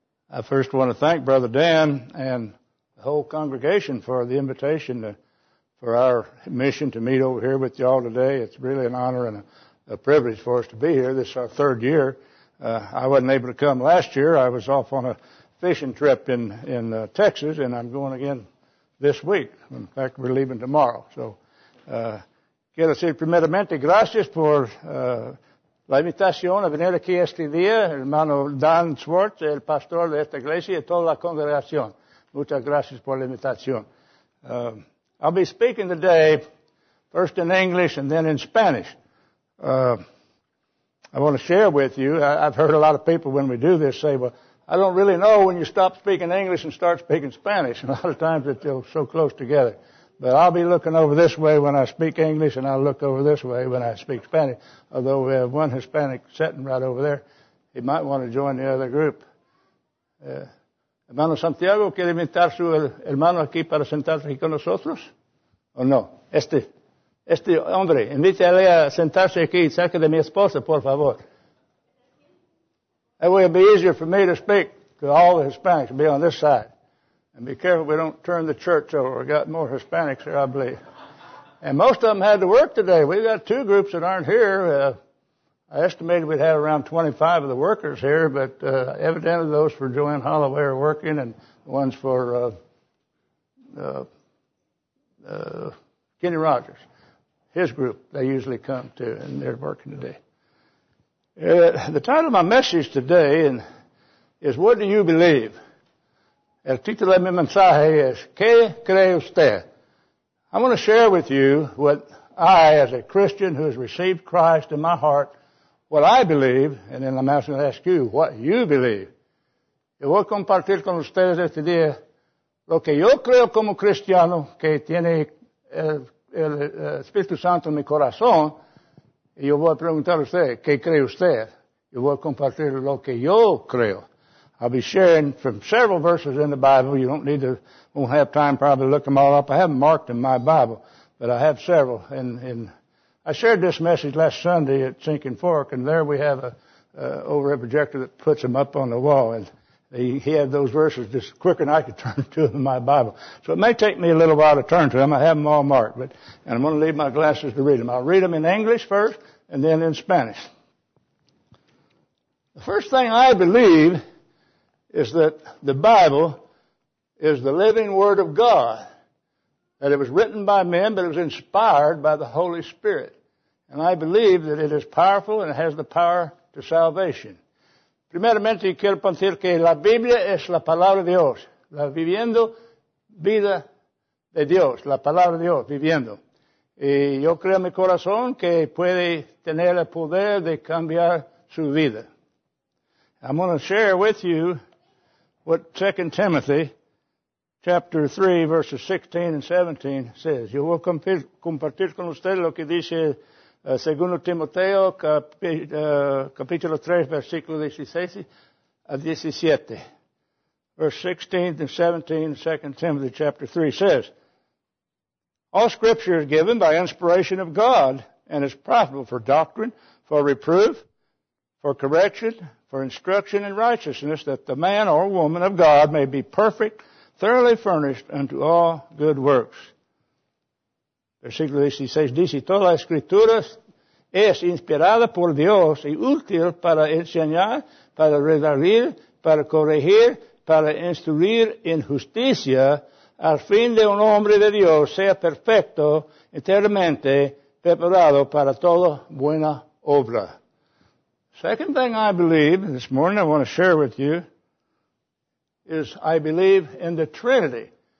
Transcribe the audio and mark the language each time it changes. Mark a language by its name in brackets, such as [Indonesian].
[English] I first want to thank Brother Dan and the whole congregation for the invitation for our mission to meet over here with y'all today. It's really an honor and a privilege for us to be here. This is our third year. I wasn't able to come last year. I was off on a fishing trip in Texas, and I'm going again this week. In fact, we're leaving tomorrow. [Spanish] So, quiero decir primeramente gracias por la invitación a venir aquí este día, hermano Dan Schwartz, el pastor de esta iglesia y toda la congregación. Muchas gracias por la invitación. [English] I'll be speaking today first in English and then in Spanish. I want to share with you, I've heard a lot of people when we do this say, well, I don't really know when you stop speaking English and start speaking Spanish. And a lot of times they're so close together. But I'll be looking over this way when I speak English, and I'll look over this way when I speak Spanish. Although we have one Hispanic sitting right over there, he might want to join the other group. [Spanish] Hermano Santiago, ¿quiere invitar su hermano aquí para sentarse aquí con nosotros? ¿O no? Este hombre, invítale a sentarse aquí cerca de mi esposa, por favor. [English] That way it'll be easier for me to speak to all the Hispanics and be on this side. And be careful we don't turn the church over. We've got more Hispanics here, I believe. And most of them had to work today. We've got two groups that aren't here. I estimated we'd have around 25 of the workers here, but evidently those for Joanne Holloway are working, and the ones for Kenny Rogers, his group, they usually come to, and they're working today. The title of my message today is What Do You Believe? [Spanish] El título de mi mensaje es ¿Qué cree usted? [English] I want to share with you what I, as a Christian who has received Christ in my heart, what I believe, and then I'm asking to ask you what you believe. [Spanish] Yo voy a compartir con ustedes este día lo que yo creo como cristiano que tiene el Espíritu Santo en mi corazón. Y yo voy a preguntar a usted, ¿qué cree usted? Yo voy a compartir lo que yo creo. [English] I'll be sharing from several verses in the Bible. You don't need to, won't have time probably to look them all up. I haven't marked in my Bible, but I have several. And I shared this message last Sunday at Sinking Fork, and there we have a overhead projector that puts them up on the wall. And he had those verses just quicker than I could turn to them in my Bible. So it may take me a little while to turn to them. I have them all marked, and I'm going to leave my glasses to read them. I'll read them in English first and then in Spanish. The first thing I believe is that the Bible is the living Word of God, that it was written by men, but it was inspired by the Holy Spirit. And I believe that it is powerful and it has the power to salvation. [Spanish] Primeramente, quiero decir que la Biblia es la palabra de Dios, la viviendo vida de Dios, la palabra de Dios, viviendo. Y yo creo en mi corazón que puede tener el poder de cambiar su vida. [English] I'm going to share with you what 2 Timothy chapter 3, verses 16 and 17 says. [Spanish] Yo voy a compartir con usted lo que dice Segundo Timoteo, capítulo 3, versículo 16 a 17. [English] Verse 16 and 17, 2 Timothy chapter 3 says, all scripture is given by inspiration of God and is profitable for doctrine, for reproof, for correction, for instruction in righteousness, that the man or woman of God may be perfect, thoroughly furnished unto all good works. [Spanish] Versículo 16 dice, toda la escritura es inspirada por Dios y útil para enseñar, para redarguir, para corregir, para instruir en justicia, al fin de un hombre de Dios sea perfecto, enteramente preparado para toda buena obra. [English] Second thing I believe this morning I want to share with you is I believe in the Trinity.